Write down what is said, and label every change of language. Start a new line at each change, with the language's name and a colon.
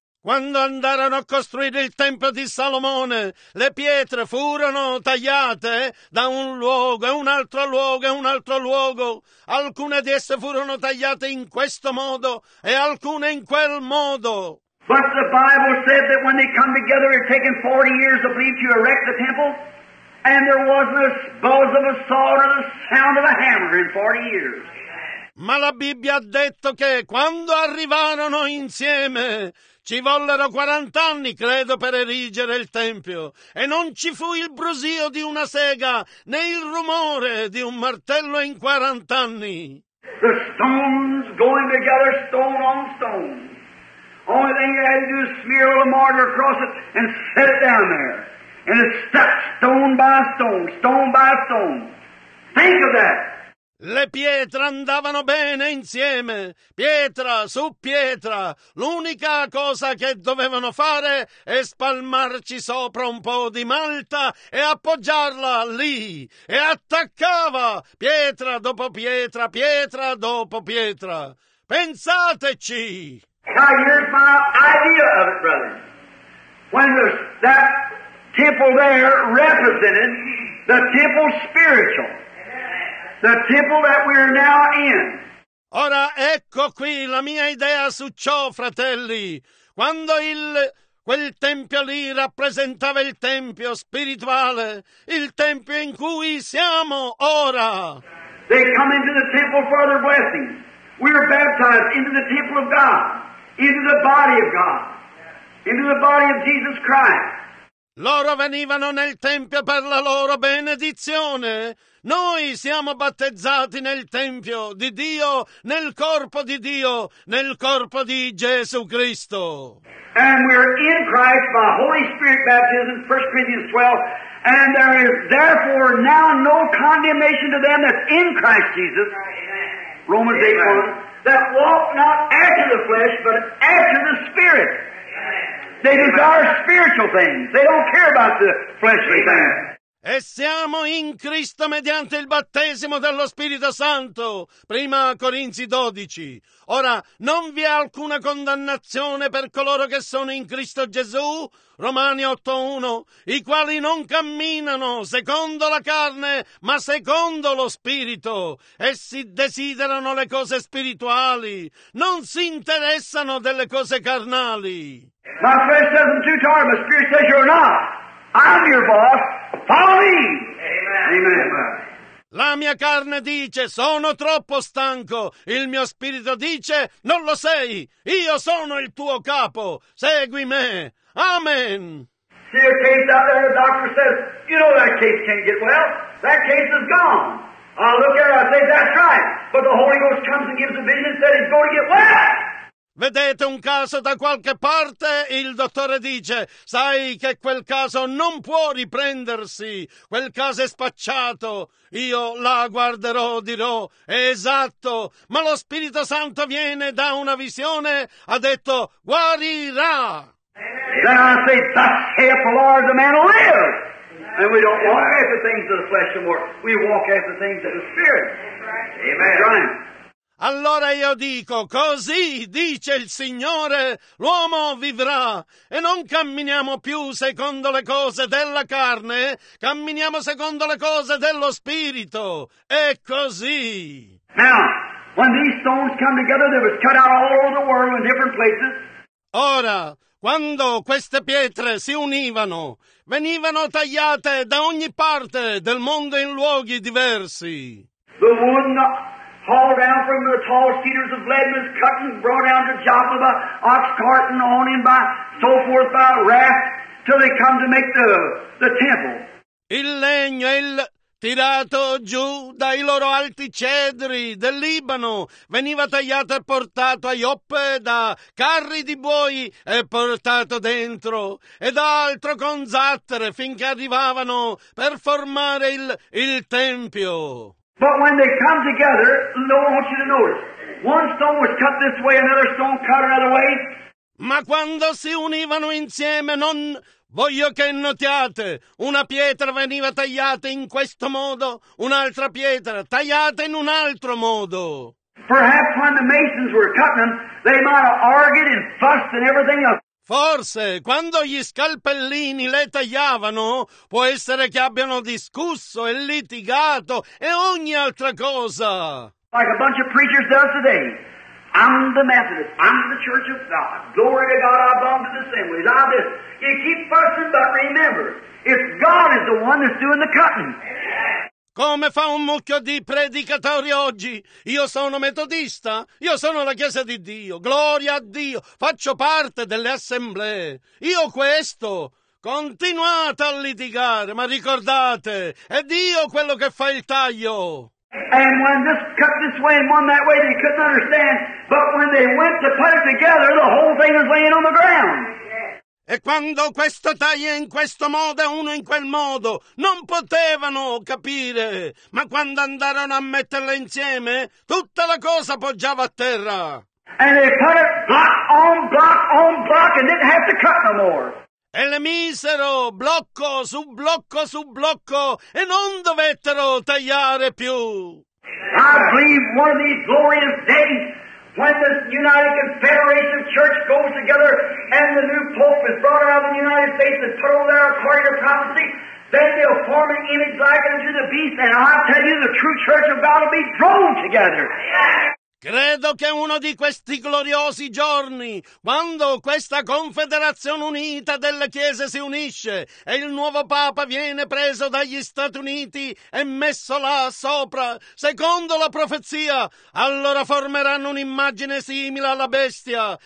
Italian: Quando andarono a costruire il Tempio di Salomone, le pietre furono tagliate da un luogo e un altro luogo e un altro luogo. Alcune di esse furono tagliate in questo modo e alcune in quel modo.
English: But the Bible said that when they come together, it had taken 40 years, I believe, to erect the temple, and there wasn't a buzz of a saw or the sound of a hammer in 40 years.
Italian: Ma la Bibbia ha detto che quando arrivarono insieme ci vollero 40 anni, credo, per erigere il Tempio. E non ci fu il brusio di una sega né il rumore di un martello in 40 anni.
English: The stones going together, stone on stone. Only thing you had to do is smear a mortar across it and set it down there. And it stuck stone by stone, stone by stone. Think of that!
Italian: Le pietre andavano bene insieme, pietra su pietra. L'unica cosa che dovevano fare è spalmarci sopra un po' di malta e appoggiarla lì. E attaccava pietra dopo pietra, pietra dopo pietra. Pensateci!
English: Now here's my idea of it, brother. When that temple there represented the temple spiritual. The temple that we are now in.
Italian: Ora ecco qui la mia idea su ciò, fratelli. Quando quel tempio lì rappresentava il tempio spirituale, il tempio in cui siamo ora.
English: They come into the temple for their blessing. We are baptized into the temple of God, into the body of God, into the body of Jesus Christ.
Italian: Loro venivano nel tempio per la loro benedizione. Noi siamo battezzati nel tempio di Dio, nel corpo di Dio, nel corpo di Gesù Cristo.
English: And we're in Christ by Holy Spirit baptism, 1 Corinthians 12. And there is therefore now no condemnation to them that's in Christ Jesus. Amen. Romans 8, 1. That walk not after the flesh, but after the Spirit. They desire spiritual things. They don't care about the fleshly things.
Italian: E siamo in Cristo mediante il battesimo dello Spirito Santo. Prima Corinzi 12. Ora, non vi è alcuna condannazione per coloro che sono in Cristo Gesù? Romani 8:1. I quali non camminano secondo la carne, ma secondo lo Spirito. Essi desiderano le cose spirituali. Non si interessano delle cose carnali.
English: My flesh says I'm too tired, my spirit says you're not. I'm your boss. Follow me. Amen. Amen.
Italian: La mia carne dice, sono troppo stanco. Il mio spirito dice, non lo sei. Io sono il tuo capo. Segui me. Amen.
English: See a case out there, the doctor says, you know that case can't get well. That case is gone. I look at it, I say, that's right. But the Holy Ghost comes and gives a vision that he's going to get well.
Italian: Vedete un caso da qualche parte? Il dottore dice, sai che quel caso non può riprendersi, quel caso è spacciato. Io la guarderò, dirò, è esatto, ma lo Spirito Santo viene da una visione, ha detto, guarirà.
English: Then I say, thus saith the Lord, the man will live. And we don't walk after the things of the flesh anymore, we walk after the things of the Spirit. Amen. Amen.
Italian: Allora io dico, così dice il Signore, l'uomo vivrà, e non camminiamo più secondo le cose della carne, camminiamo secondo le cose dello Spirito. È così.
English: Now, when these stones come together, they were cut out all over the world in different places.
Italian: Ora, quando queste pietre si univano, venivano tagliate da ogni parte del mondo in luoghi diversi.
English: The wood hauled down from the tall cedars of Lebanon, cut and brought down to Joppa by ox cart and on him by so forth by raft till they come to make the temple.
Italian: Il legno, il tirato giù dai loro alti cedri del Libano, veniva tagliato e portato a Joppe da carri di buoi e portato dentro, ed altro con zattere finché arrivavano per formare il Tempio.
English: But when they come together, no one wants you to notice. One stone was cut this way, another stone cut another way.
Italian: Ma quando si univano insieme, non voglio che notiate. Una pietra veniva tagliata in questo modo, un'altra pietra tagliata in un altro modo.
English: Perhaps when the masons were cutting them, they might have argued and fussed and everything else.
Italian: Forse, quando gli scalpellini le tagliavano, può essere che abbiano discusso e litigato e ogni altra cosa.
English: Like a bunch of preachers does today. I'm the Methodist, I'm the Church of God. Glory to God, I belong to the assemblies. I'm this. You keep fussing, but remember, it's God is the one that's doing the cutting.
Italian: Come fa un mucchio di predicatori oggi? Io sono metodista, io sono la Chiesa di Dio, gloria a Dio, faccio parte delle assemblee. Io questo, continuate a litigare, ma ricordate, è Dio quello che fa il taglio.
English: And when this cut this way and one that way, they couldn't understand, but when they went to put it together, the whole thing is laying on the ground.
Italian: E quando questo taglia in questo modo e uno in quel modo, non potevano capire. Ma quando andarono a metterla insieme, tutta la cosa poggiava a terra.
English: And they put it block on block on block and didn't have to cut no more.
Italian: E le misero blocco su blocco su blocco e non dovettero tagliare più.
English: I believe one of these glorious days, when this United Confederation Church goes together and the new Pope is brought around the United States and put on their accord of prophecy, then they'll form an image like unto the beast, and I tell you, the true Church of God will be thrown together.
Italian: Credo che uno di questi gloriosi giorni, quando questa Confederazione Unita delle Chiese si unisce e il nuovo Papa viene preso dagli Stati Uniti e messo là sopra, secondo la profezia, allora formeranno un'immagine simile alla bestia.